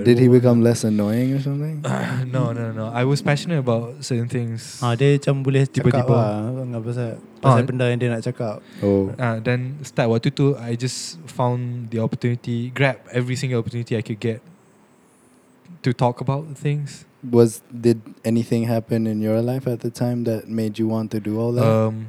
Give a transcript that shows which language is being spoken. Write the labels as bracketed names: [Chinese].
[English] But did he become less annoying or something? No. I was passionate about certain things. [Malay] Dia macam boleh tiba-tiba cakap lah. Pasal benda yang dia nak cakap. [English] Then start [Malay] waktu tu, [English] I just found the opportunity, grab every single opportunity I could get to talk about things. Did anything happen in your life at the time that made you want to do all that?